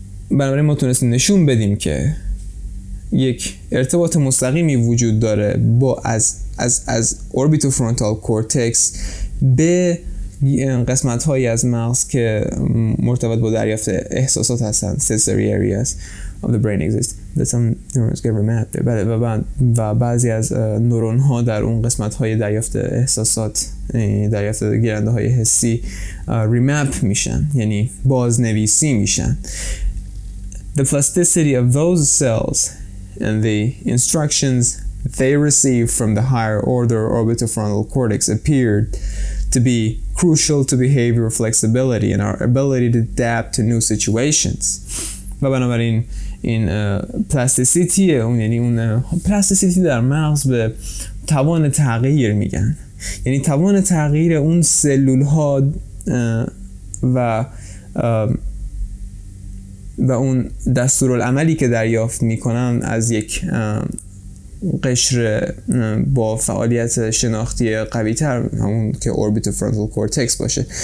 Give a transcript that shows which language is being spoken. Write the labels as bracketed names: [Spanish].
[Persian] بنابراین ما تونستیم نشون بدیم که یک ارتباط مستقیمی وجود داره با از اوربیتو فرونتال کورتکس به قسمت هایی از مغز که مرتبط با دریافت احساسات هستن، [English] sensory areas of the brain exist that some neurons get remapped there. [Persian] بله، و بعضی از نورون ها در اون قسمت های دریافت احساسات، دریافت گیرنده های حسی remap میشن، یعنی بازنویسی میشن. [English] The plasticity of those cells and the instructions they receive from the higher order orbitofrontal cortex appeared to be crucial to behavioral flexibility and our ability to adapt to new situations. [Persian] و بنابراین این plasticity، اون یعنی اون plasticity در مغز به توان تغییر میگن، یعنی توان تغییر اون سلول ها و و اون دستورالعملی که دریافت میکنن از یک قشر با فعالیت شناختی قوی تر، همون که اوربیتو فرانتال کورتکس باشه.